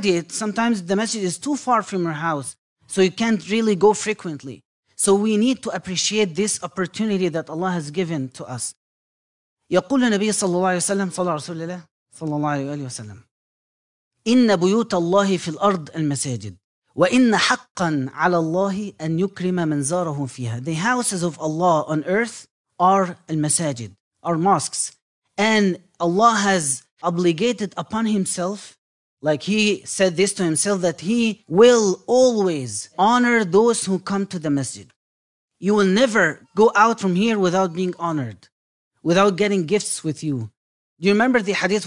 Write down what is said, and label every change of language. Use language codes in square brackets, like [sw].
[en] Sometimes the masjid is too far from your house, so you can't really go frequently. So we need to appreciate this opportunity that Allah has given to us. [ar] يقول النبي صلى الله عليه وسلم صلى رسول الله صلى الله عليه وسلم إن بيوت الله في الأرض المساجد وإن حقا على الله أن يكرم من زاره فيها. [en] The houses of Allah on earth are المساجد, are mosques. And Allah has obligated upon himself, like he said this to himself, that he will always honor those who come to the masjid. You will never go out from here without being honored, without getting gifts with you. Do you remember the hadith?